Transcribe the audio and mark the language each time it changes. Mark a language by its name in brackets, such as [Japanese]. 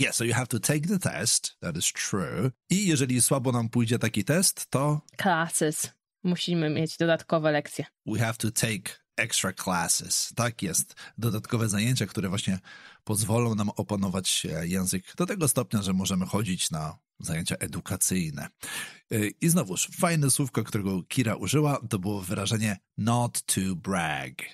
[English] Yeah, so you have to take the test, that is true. [Polish] I jeżeli słabo nam pójdzie taki test, to... [English] Classes. [Polish] Musimy mieć dodatkowe lekcje. [English] We have to take extra classes. [Polish] Tak jest. Dodatkowe zajęcia, które właśnie pozwolą nam opanować język do tego stopnia, że możemy chodzić na zajęcia edukacyjne. I znowuż, fajne słówko, którego Kira użyła, to było wyrażenie [English] not to brag.